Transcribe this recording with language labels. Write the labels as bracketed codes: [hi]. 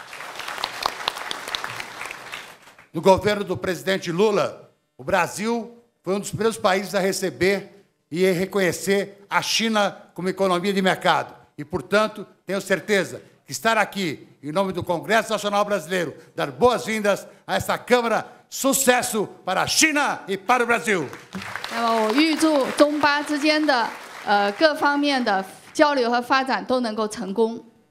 [zh] 我们这个地方是欢迎大家的。 [pt] No governo do presidente Lula, o Brasil foi um dos primeiros países a receber e reconhecer a China como economia de mercado. E, portanto, tenho certeza que estar aqui em nome do Congresso Nacional Brasileiro dar boas-vindas a essa Câmara. Sucesso para a China e para o Brasil. [zh] 那么，我预祝中巴之间的各方面的。交流和发展都能够成功。